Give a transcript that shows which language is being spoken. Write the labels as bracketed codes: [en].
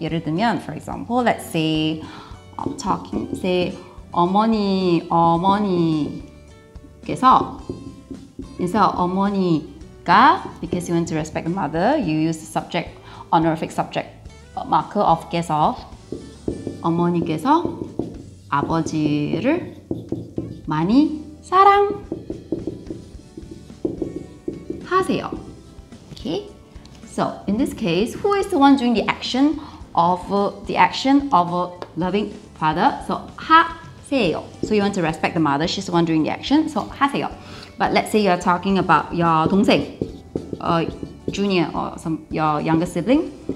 [en] 예를 들면, for example, let's say I'm talking, say [ko] 어머니, 어머니께서 [en] instead of 어머니가, because you want to respect the mother, you use the subject, honorific subject marker of 께서. [ko] 어머니께서 아버지를 많이 사랑하세요. [en] Okay? So in this case, who is the one doing the action of a loving father? So 하세요. So you want to respect the mother. She's the one doing the action. So 하세요. But let's say you're talking about your 동생, junior or your younger sibling.